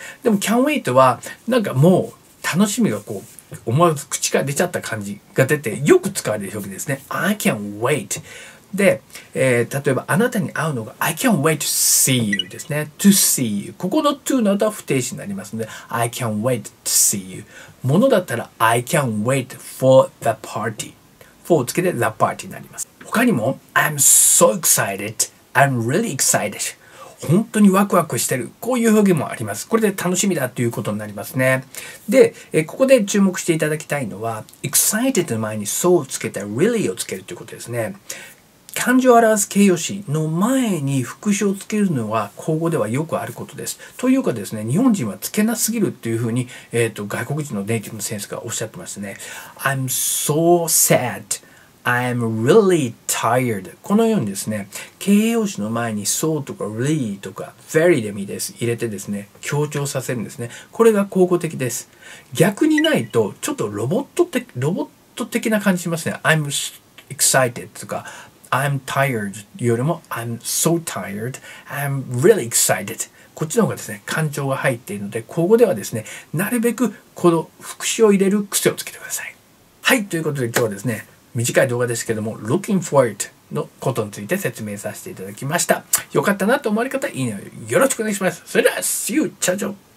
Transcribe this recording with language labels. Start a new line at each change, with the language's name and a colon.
Japanese: でも
English: Can't wait
Japanese: はなんかもう楽しみがこう思わず口から出ちゃった感じが出てよく使われる表現ですね。
English: I can't wait.
Japanese: で、例えばあなたに会うのが
English: I can't wait to see you ですね。To see you。
Japanese: ここの to の後は不定詞になりますので
English: I can't wait to see you。
Japanese: ものだったら
English: I can't wait for the party。
Japanese: for をつけて the party になります。
English: 他にも I'm so excited. I'm really excited.
Japanese: 本当にワクワクしてる。こういう表現もあります。これで楽しみだということになりますね。で、ここで注目していただきたいのは excited の前に so をつけて really をつけるということですね。漢字を表す形容詞の前に副詞をつけるのは口語ではよくあることです。というかですね、日本人はつけなすぎるっていうふうに、外国人のネイティブの先生がおっしゃってましたね。
English: I'm so sad. I'm really tired.
Japanese: このようにですね、形容詞の前に so とか really とか very でもいいです。入れてですね、強調させるんですね。これが口語的です。逆にないと、ちょっとロボット的な感じしますね。
English: I'm excited とか、I'm tired よりも I'm so tired. I'm really excited.
Japanese: こっちの方がですね、感情が入っているので、口語ではですね、なるべくこの副詞を入れる癖をつけてください。はい、ということで今日はですね、短い動画ですけども、Looking forward のことについて説明させていただきました。よかったなと思われる方、いいねをよろしくお願いします。それでは、
English: See you!
Japanese: チャチャ